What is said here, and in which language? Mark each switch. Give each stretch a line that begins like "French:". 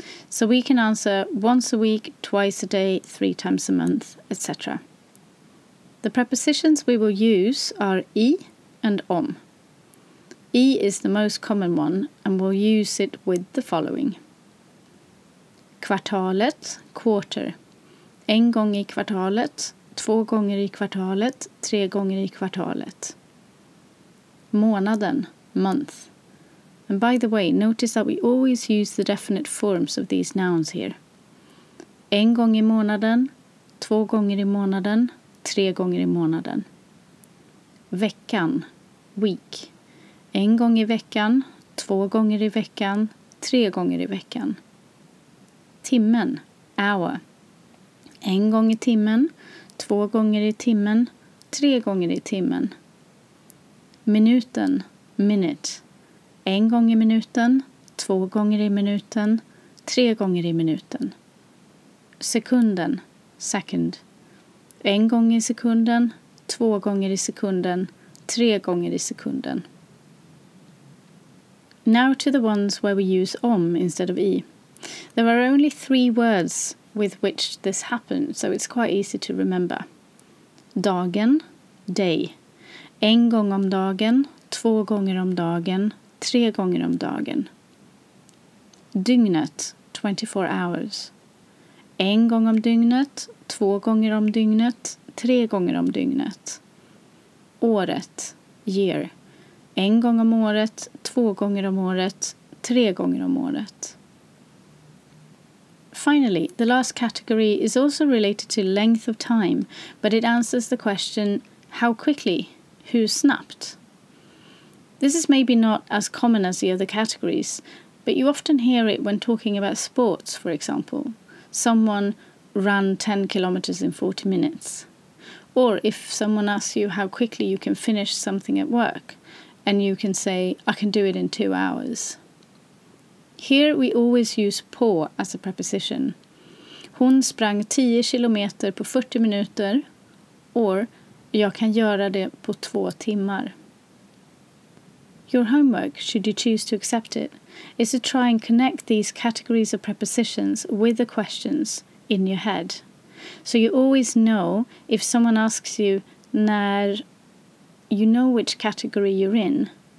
English: So we can answer once a week, twice a day, 3 times a month, etc. The prepositions we will use are I and om. I is the most common one, and we'll use it with the following.
Swedish: Kvartalet, quarter. En gång I kvartalet, 2 gånger i kvartalet, 3 gånger i kvartalet. Månaden, month.
English: And by the way, notice that we always use the definite forms of these nouns here.
Swedish: En gång I månaden, 2 gånger i månaden, 3 gånger i månaden. Veckan, week. En gång I veckan, 2 gånger i veckan, 3 gånger i veckan. Timmen, hour. En gång I timmen, 2 gånger i timmen, 3 gånger i timmen. Minuten, minute. En gång I minuten, 2 gånger i minuten, 3 gånger i minuten. Sekunden, second. En gång I sekunden, 2 gånger i sekunden, 3 gånger i sekunden.
English: Now to the ones where we use om instead of I. There are only 3 words with which this happens, so it's quite easy to remember.
Swedish: Dagen, day. En gång om dagen, 2 gånger om dagen, 3 gånger om dagen. Dygnet, 24 hours. En gång om dygnet, 2 gånger om dygnet, 3 gånger om dygnet. Året, year. En gång om året, 2 gånger om året, 3 gånger om året.
English: Finally, the last category is also related to length of time, but it answers the question, how quickly,
Swedish: hur snabbt?
English: This is maybe not as common as the other categories, but you often hear it when talking about sports, for example. Someone ran 10 kilometers in 40 minutes. Or if someone asks you how quickly you can finish something at work, and you can say, I can do it in 2 hours. Here we always use på as a preposition.
Swedish: hon sprang 10 kilometer på 40 minuter or jag kan göra det på 2 timmar.
English: Your homework, should you choose to accept it, is to try and connect these categories of prepositions with the questions in your head. So you always know if someone asks you när, you know which category you're in.